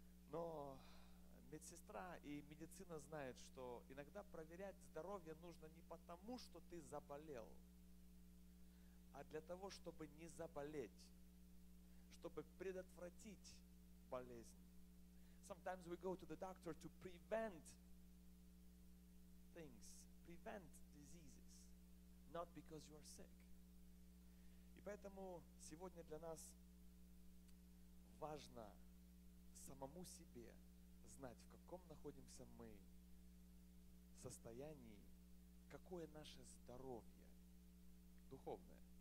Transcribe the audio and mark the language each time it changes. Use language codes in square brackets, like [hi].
[ru] Но медсестра и медицина знают, что иногда проверять здоровье нужно не потому, что ты заболел, а для того, чтобы не заболеть, чтобы предотвратить болезнь. [en] Sometimes we go to the doctor to prevent things, prevent diseases, not because you are sick. [ru] Поэтому сегодня для нас важно самому себе знать, в каком находимся мы состоянии, какое наше здоровье духовное.